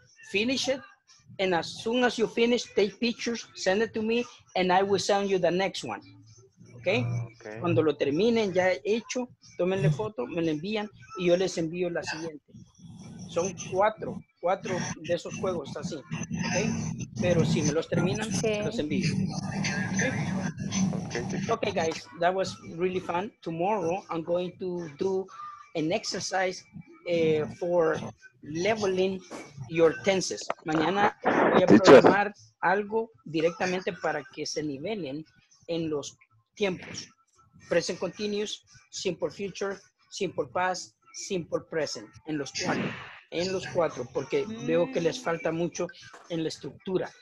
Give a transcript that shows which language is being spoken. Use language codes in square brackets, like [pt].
[en] Finish it, and as soon as you finish, take pictures, send it to me, and I will send you the next one. Okay? Okay. [es] Cuando lo terminen, ya hecho, tómenle foto, me lo envían, y yo les envío la siguiente. Son cuatro de esos juegos, así, ¿ok? Pero si me los terminan, okay. Los envío. [en] Okay, guys, that was really fun. Tomorrow, I'm going to do an exercise for leveling your tenses. [es] Mañana voy a programar algo directamente para que se nivelen en los tiempos. [en] present continuous, simple future, simple past, simple present, [es] en los cuatro. En los cuatro, porque veo que les falta mucho en la estructura.